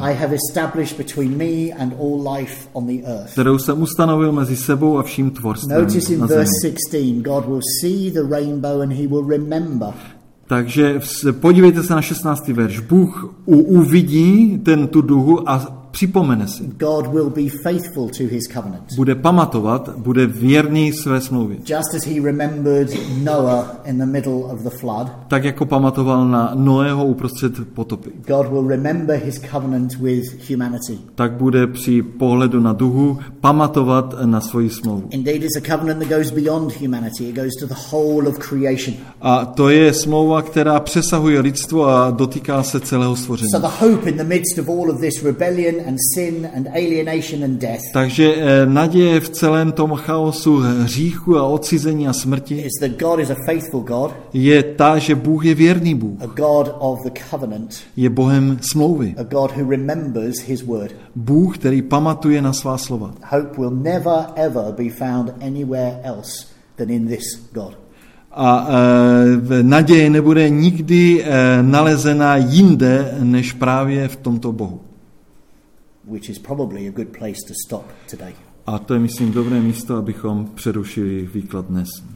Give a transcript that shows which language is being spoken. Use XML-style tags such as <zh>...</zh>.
<en>I have established between me and all life on the earth,</en> <cs>kterou jsem ustanovil mezi sebou a vším tvorstvem.</cs> <en>Notice in verse 16, God will see the rainbow and he will remember.</en> <cs>Takže podívejte se na 16. verš. Bůh uvidí ten tu duhu a připomene si.</cs> <en>God will be faithful to his covenant.</en> <cs>Bude pamatovat, bude věrný své smlouvě.</cs> <en>Just as he remembered Noah in the middle of the flood.</en> <cs>Tak jako pamatoval na Noého uprostřed potopy.</cs> <en>God will remember his covenant with humanity.</en> <cs>Tak bude při pohledu na duhu pamatovat na svoji smlouvu.</cs> <en>Indeed, it's a covenant that goes beyond humanity. It goes to the whole of creation.</en> <cs>A to je smlouva, která přesahuje lidstvo a dotýká se celého stvoření.</cs> <en>So the hope in the midst of all of this rebellion and sin and alienation and death.</en> <cs>Takže naděje v celém tom chaosu hříchu a odcizení a smrti.</cs> <en>Is that God is a faithful God?</en> <cs>Je ta, že Bůh je věrný Bůh.</cs> <en>A God of the covenant.</en> <cs>Je Bohem smlouvy.</cs> <en>A God who remembers his word.</en> <cs>Bůh, který pamatuje na svá slova.</cs> <en>Hope will never ever be found anywhere else than in this God.</en> <cs>A naděje nebude nikdy nalezena jinde než právě v tomto Bohu.</cs> <en>Which is probably a good place to stop today.</en> <cs>A to je, myslím, dobré místo, abychom přerušili výklad dnes.</cs>